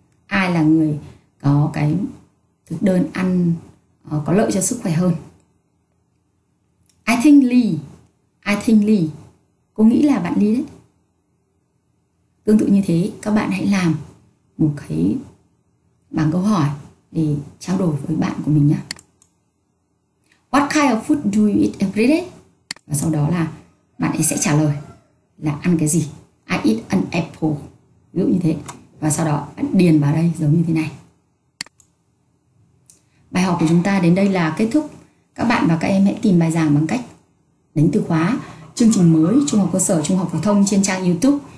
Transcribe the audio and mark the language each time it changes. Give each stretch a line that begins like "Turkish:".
Vietnamese: Ai là người có cái thực đơn ăn có lợi cho sức khỏe hơn.
English: I think Lee.
Vietnamese: Cô nghĩ là bạn Lee đấy. Tương tự như thế, các bạn hãy làm một cái bảng câu hỏi để trao đổi với bạn của mình nhé.
English: What kind of food do you eat every day?
Vietnamese: Và sau đó là bạn ấy sẽ trả lời là ăn cái gì?
English: I eat an apple.
Vietnamese: Ví dụ như thế. Và sau đó bạn điền vào đây giống như thế này. Bài học của chúng ta đến đây là kết thúc. Các bạn và các em hãy tìm bài giảng bằng cách đánh từ khóa chương trình mới Trung học cơ sở, Trung học phổ thông trên trang YouTube.